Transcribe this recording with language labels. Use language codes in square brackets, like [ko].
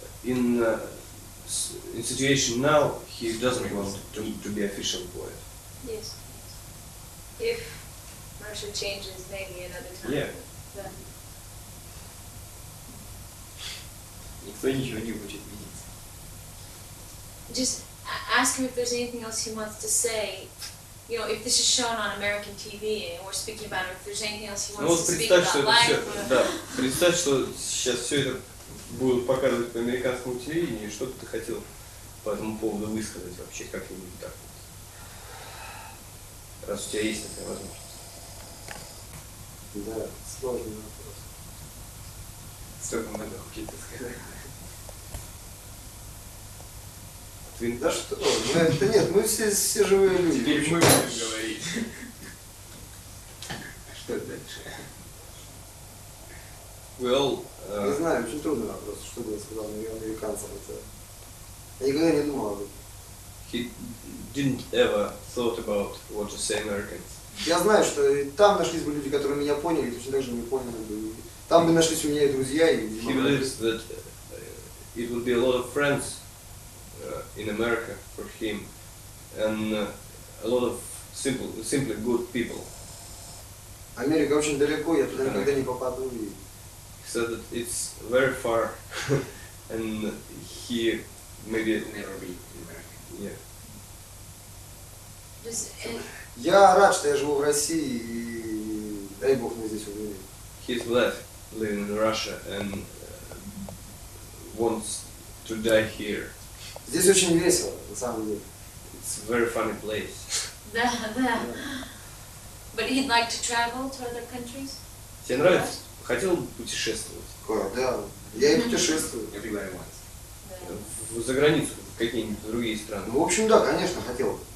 [en] In situation now, he doesn't want to be official poet. Yes. If Marcia changes, maybe another time. Yeah. [ru] Никто ничего не будет видеть. [en] Just ask him if there's anything else he wants to say. You know, if this is shown on American TV and we're speaking about it, if there's anything else he wants to speak about life. [ru] Представь, что сейчас все это будут показывать по американскому телевидению, и что-то ты хотел по этому поводу высказать вообще как-нибудь так вот. Раз у тебя есть такая возможность. Да, сложный вопрос. Столько надо какие-то сказать. Ты... Да что? Да нет, мы все живые люди. Теперь мы будем говорить. Что дальше? [en] Well, [ru] не знаю, очень трудный вопрос, что бы я сказал американцам. Это... Я никогда не думал об этом. [en] He didn't ever thought about what to say Americans. [ru] Я знаю, что там нашлись бы люди, которые меня поняли, и точно так же не поняли бы. Там бы нашлись у меня и друзья, и... [en] He believes that it would be a lot of friends in America for him, and a lot of simply good people. [ru] Америка очень далеко, я туда никогда не попаду. И... [en] So that it's very far, and he maybe never be American. Yeah. Does [ru] Я рад, что я живу в России, и дай Бог мне здесь умереть. [en] He's glad living in Russia and wants to die here. [ru] Здесь очень весело, на самом деле. [en] It's a very funny place. [ru] Да, да. [en] But he'd like to travel to other countries? [ru] Тебе нравится? Хотел бы путешествовать? Да, я и путешествую. Я понимаю, Макс. За границу, в какие-нибудь другие страны. В общем, да, конечно, хотел бы.